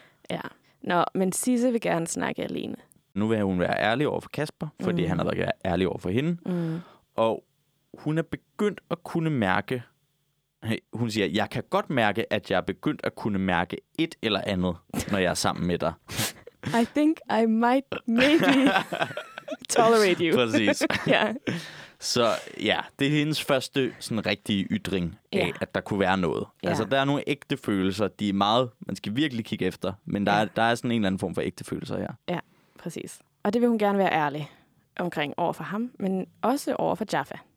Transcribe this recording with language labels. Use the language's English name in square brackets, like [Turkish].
[Danish] Ja. Nå, men Sisse vil gerne snakke alene. Nu vil hun være ærlig over for Kasper, fordi han har været ærlig over for hende. Mm. Og hun er begyndt at kunne mærke, hun siger, jeg kan godt mærke, at jeg er begyndt at kunne mærke et eller andet, når jeg er sammen med dig. [English] I think I might maybe tolerate you. [Danish] Præcis. [English] Yeah. [Danish] Så ja, det er hendes første sådan rigtige ytring af, at der kunne være noget. [English] Yeah. [Danish] Altså, der er nogle ægte følelser, de er meget, man skal virkelig kigge efter, men der, der er sådan en eller anden form for ægte følelser her. Ja, præcis. Og det vil hun gerne være ærlig omkring over for ham, men også over for Jaffa.